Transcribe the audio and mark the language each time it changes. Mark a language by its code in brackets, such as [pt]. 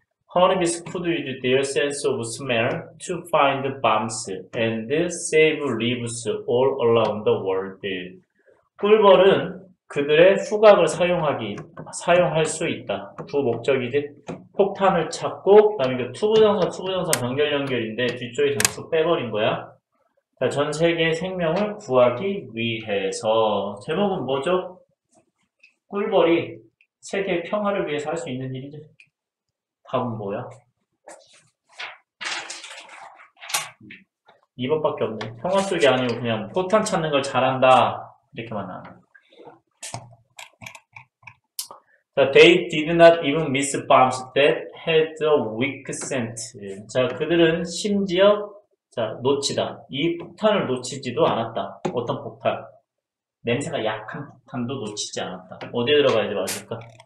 [en] Honeybees could use their sense of smell to find bombs and save lives all around the world. [ko] 꿀벌은 그들의 후각을 사용할 수 있다. 두 목적이지. 폭탄을 찾고, 그 다음에 그 투부정사, 투부정사 연결인데, 뒤쪽에 전수 빼버린 거야. 자, 전 세계의 생명을 구하기 위해서. 제목은 뭐죠? 꿀벌이 세계 평화를 위해서 할 수 있는 일이죠. 답은 뭐야? 2번밖에 없네. 평화 속이 아니고 그냥 포탄 찾는 걸 잘한다. 이렇게만 나와. [en] 자, they did not even miss bombs that had a weak scent. [ko] 자, 그들은 심지어, 자, 놓치다. 이 폭탄을 놓치지도 않았다. 어떤 폭탄? 냄새가 약한 폭탄도 놓치지 않았다. 어디에 들어가야지 맞을까?